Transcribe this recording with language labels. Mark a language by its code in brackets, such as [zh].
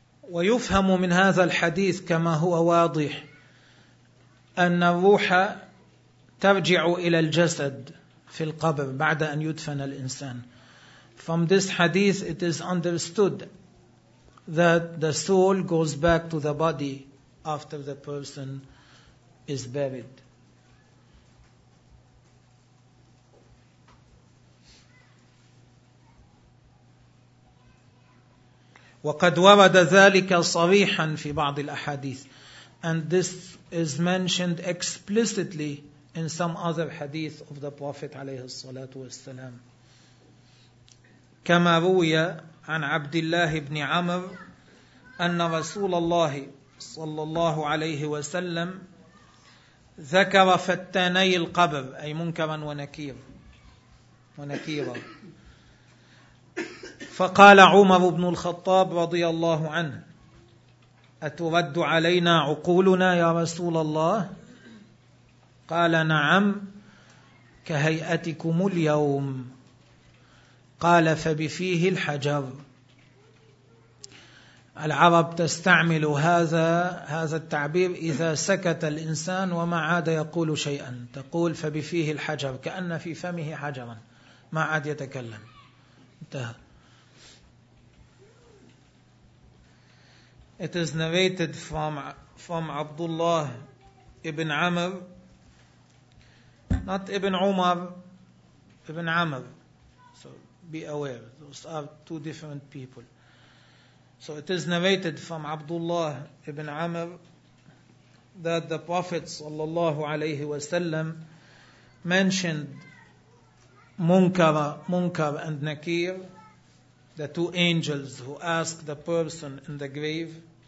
[ar] ويفهم من هذا الحديث كما هو واضح أن الروح ترجع إلى الجسد في القبر بعد أن يدفن الإنسان. [en] From this hadith it is understood that the soul goes back to the body after the person is buried. [ar] وقد ورد ذلك صريحا في بعض الأحاديث. [en] And this is mentioned explicitly in some other hadith of the Prophet [ar] عليه الصلاة والسلام. كما روي عن عبد الله بن عمر أن رسول الله صلى الله عليه وسلم ذكر فتاني القبر، أي منكرا ونكيرا. فقال عمر بن الخطاب رضي الله عنه: أترد علينا عقولنا يا رسول الله؟ قال: نعم، كهيئتكم اليوم. قال: فبفيه الحجر. العرب تستعمل هذا التعبير إذا سكت الإنسان وما عاد يقول شيئا، تقول: فبفيه الحجر، كأن في فمه حجرا، ما عاد يتكلم، انتهى. [en] It is narrated from Abdullah ibn Amr, not Ibn Umar, Ibn Amr. So be aware, those are two different people. So it is narrated from Abdullah ibn Amr that the Prophet [ar] sallallahu alayhi wa sallam [en] mentioned Munkar and Nakir, the two angels who ask the person in the grave.